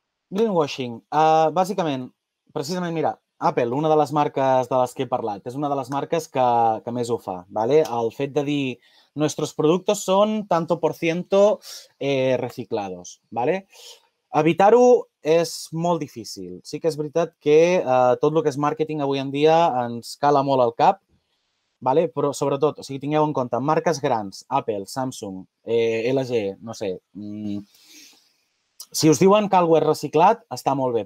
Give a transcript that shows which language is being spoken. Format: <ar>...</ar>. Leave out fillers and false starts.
<ca>Greenwashing, bàsicament, precisament, mira, Apple, una de les marques de les que he parlat, és una de les marques que més ho fa, vale? El fet de dir,</ca> <es>nuestros productos son tanto por ciento reciclados, vale?</es> <ca>Evitar-ho és molt difícil. Sí que és veritat que tot el que és màrqueting avui en dia ens cala molt al cap, vale? Però sobretot, o sigui, tingueu en compte, marques grans, Apple, Samsung, LG, no sé, si us diuen que algú és reciclat, està molt bé.</ca>